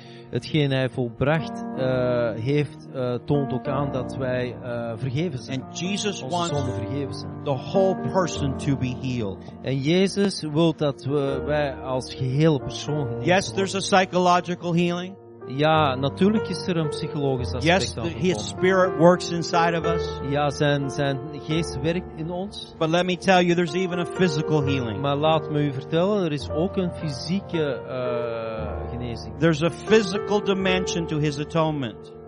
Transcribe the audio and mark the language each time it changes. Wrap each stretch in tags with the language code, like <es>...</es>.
<nl>Hetgeen hij volbracht heeft toont ook aan dat wij vergeven zijn.</nl> <en>And Jesus</en> <nl>onze</nl> <en>wants</en> <nl>vergeven zijn.</nl> <en>The whole person to be healed.</en> <nl>En Jezus wil dat wij als gehele persoon genezen</nl> <en>worden. Yes, there's a psychological healing.</en> <nl>Ja, natuurlijk is er een psychologisch aspect.</nl> <en>Yes, his spirit works inside of us.</en> <nl>Ja, zijn geest werkt in ons.</nl> <en>But let me tell you, there's even a physical healing.</en> <nl>Maar laat me u vertellen, er is ook een fysieke genezing.</nl> <en>There's a physical dimension to his atonement.</en>